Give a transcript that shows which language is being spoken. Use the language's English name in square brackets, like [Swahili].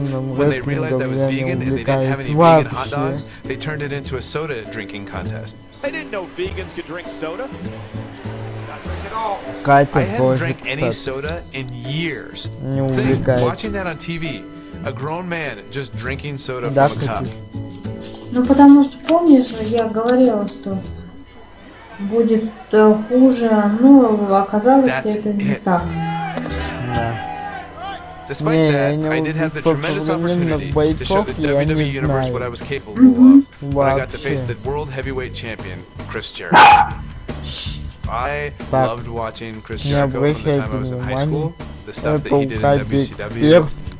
[English] When they realized I was vegan and they didn't have any vegan hot dogs, they turned it into a soda drinking contest. I didn't know vegans could drink soda. I hadn't drank any soda in years. Think, watching that on TV, a grown man just drinking soda from a cup. [Russian] Ну потому что помнишь, я говорила, что будет хуже, ну оказалось это не так. [English] Despite that, I did have the tremendous opportunity to show the WWE Universe what I was capable of, when I got to face the World Heavyweight Champion, Chris Jericho. I loved watching Chris Jericho from the time I was in high school, the stuff that he did in WCW.